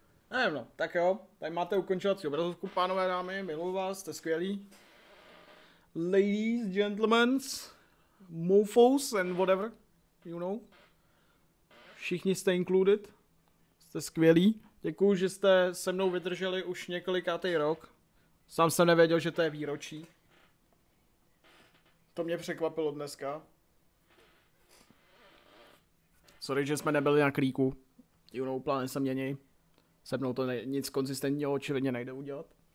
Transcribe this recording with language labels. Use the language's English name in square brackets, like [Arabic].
[Czech] Nevím no, tak jo, tady máte ukončovací obrazovku, pánové dámy, miluji vás, jste skvělí. [English] Ladies, gentlemen, mofos and whatever, you know. [Czech] Všichni jste included, jste skvělí. Děkuju, že jste se mnou vydrželi už několikátý rok. Sám jsem nevěděl, že to je výročí. To mě překvapilo dneska. Sorry, že jsme nebyli na klíku. [English] You know, [Czech] plány se měnějí. Se mnou to nic konzistentního očividně nejde udělat.